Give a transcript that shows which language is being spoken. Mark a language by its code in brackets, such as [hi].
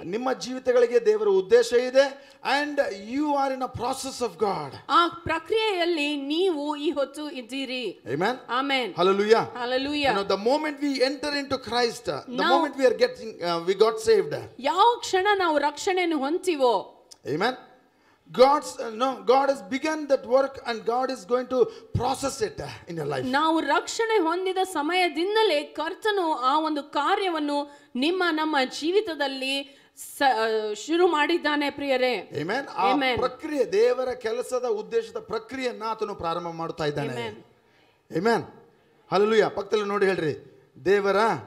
[kn] ನಿಮ್ಮ ಜೀವಿತಗಳಿಗೆ ದೇವರ ಉದ್ದೇಶ ಇದೆ. [en] And you are in a process of God. [kn] ಆ ಪ್ರಕ್ರಿಯೆಯಲ್ಲಿ ನೀವು ಈ ಹೊತ್ತು ಇದ್ದೀರಿ. Amen, amen. Hallelujah, hallelujah. [en] the moment we enter into Christ, the moment we are getting we got saved, [kn] ಯಾವ ಕ್ಷಣ ನಾವು ರಕ್ಷಣೆ ಹೊಂತಿವೋ. Amen. [en] God's no, God has begun that work and God is going to process it in your life. [kn] ನಾವು ರಕ್ಷಣೆ ಹೊಂದಿದ ಸಮಯದಿಂದಲೇ ಕರ್ತನು ಆ ಒಂದು ಕಾರ್ಯವನ್ನು ನಿಮ್ಮ ನಮ್ಮ ಜೀವಿತದಲ್ಲಿ ಶುರು ಮಾಡಿದ್ದಾನೆ ಪ್ರಿಯರೇ. ಆಮೆನ್. ಆ ಪ್ರಕ್ರಿಯೆ, ದೇವರ ಕೆಲಸದ ಉದ್ದೇಶದ ಪ್ರಕ್ರಿಯೆಯನ್ನ ಆತನು ಪ್ರಾರಂಭ ಮಾಡುತ್ತಾ ಇದ್ದಾನೆ. Amen, hallelujah. ಪಕ್ಕದಲ್ಲಿ ನೋಡಿ ಹೇಳ್ರಿ, ದೇವರ